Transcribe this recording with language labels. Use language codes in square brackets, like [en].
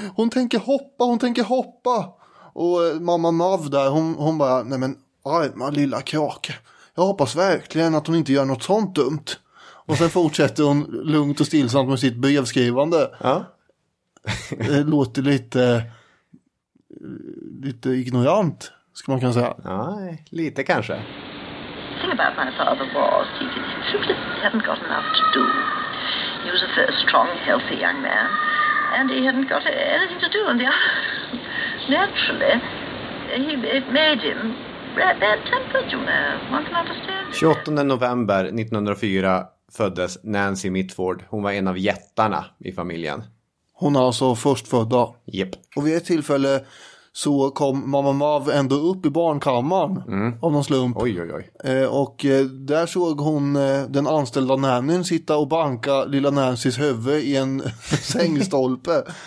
[sv] Hon tänker hoppa! Och mamma Mav där, hon bara, nej men arma lilla krake. Jag hoppas verkligen att hon inte gör något sånt dumt. Och sen fortsätter hon lugnt och stillsamt med sitt brevskrivande. Ja. Det låter lite ignorant, ska man kunna säga. Nej, lite kanske. [en] thing about my father was he simply hadn't got enough to do. He was a strong, healthy young man, and he hadn't got anything to do. And naturally, it made him bad-tempered, you know. One can understand. [sv] 28 november 1904 föddes Nancy Mitford. Hon var en av jättarna i familjen. Hon är alltså förstfödda. Japp. Och vid ett tillfälle så kom mamma Mav ändå upp i barnkammaren av någon slump. Oj, oj, oj. Och där såg hon den anställda nämnen sitta och banka lilla Nancys huvud i en sängstolpe.